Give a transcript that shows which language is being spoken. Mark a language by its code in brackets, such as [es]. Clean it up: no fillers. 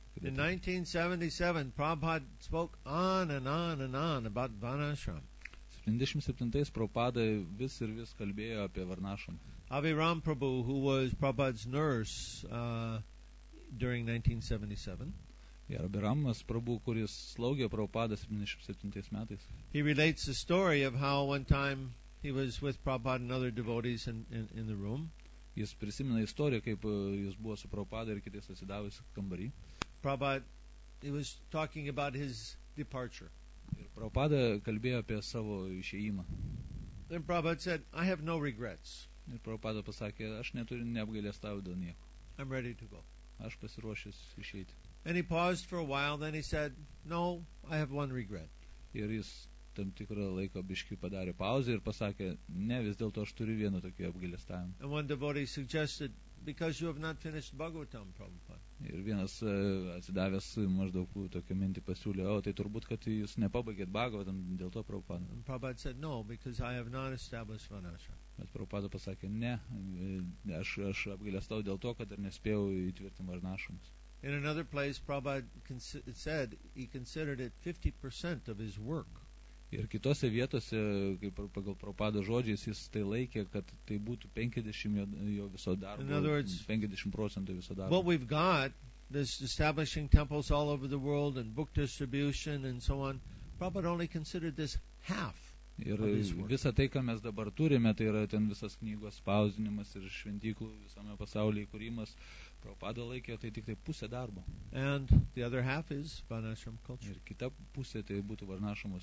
[en] In 1977, Prabhupada spoke on and on and on about Varnashram. [lt] 77-ais Prabhupada vis ir vis kalbėjo apie Varnashram. [en] Aviram Prabhu, who was Prabhupada's nurse during 1977, [lt] Abiramas Prabhu, kuris slaugė Prabhupada 77 metais. [en] He relates the story of how one time he was with Prabhupada and other devotees in the room. [lt] Jis prisimina istoriją, kaip jis buvo su Prabhupada ir kitais atsidavus kambarį. [en] Prabhupada, he was talking about his departure. [lt] Ir Prabhupada kalbėjo apie savo išėjimą. [en] Then Prabhupada said, I have no regrets. [lt] Ir Prabhupada pasakė, aš neturiu neapgailestavimo dėl nieko. [en] I'm ready to go. [lt] Aš pasiruošęs išeiti. [en] And he paused for a while, then he said, no, I have one regret. [lt] Ir jis tam tikrą laiką biškį padarė pauzę ir pasakė, ne, vis dėlto aš turiu vieną tokį apgailestavimą. [en] And one devotee suggested, because you have not finished Bhagavatam, Prabhupada. [lt] Ir vienas atsidavęs maždaug tokią mintį pasiūlė, o tai turbūt, kad jūs nepabaigėt Bhagavatam, dėl to Prabhupada. [en] And Prabhupada said, no, because I have not established Vanasha. [lt] Bet Prabhupada pasakė, ne, aš apgailestau dėl to, kad ir nespėjau įtvirtinti Varnašramus. [en] In another place, Prabhupada said he considered it 50% of his work. [lt] Ir kitose vietose, kaip pagal Prabhupada žodžiais, jis tai laikė, kad tai būtų 50 jo viso darbo. [en] In other words, [lt] 50% viso darbo. [en] What we've got, this establishing temples all over the world and book distribution and so on, Prabhupada only considered this half. [lt] Ir visa tai, ką mes dabar turime, tai yra ten visas knygos spausdinimas ir šventyklų visame pasaulyje įkūrimas. Prabhupada laikė, tai tik tai pusė darbo. [en] And the other half is Varnashram culture. [lt] Ir kita pusė, tai būtų Varnashramos